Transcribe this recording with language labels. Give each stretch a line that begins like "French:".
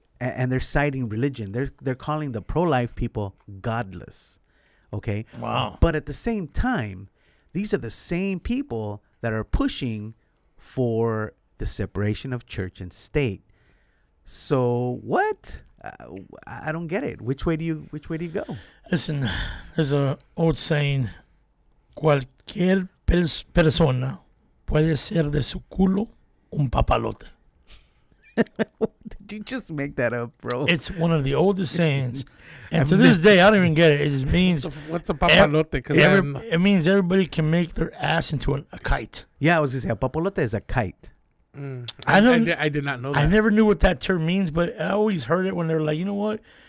English: And they're citing religion. They're calling the pro-life people godless, okay? Wow. But at the same time, these are the same people that are pushing for the separation of church and state. So what? I don't get it. Which way do you go? Listen, there's an old saying:
Spanish: cualquier persona puede ser de su culo un papalote.
English: Did you just make that up, bro? It's one of the oldest sayings. And to this day, I don't even get it. It just means... What's a papalote? It means everybody can make their ass into a kite. Yeah, I was going to say, a papalote is a kite. Mm. I did not know that. I never knew what that term means, but I always heard it when they're like, you know what?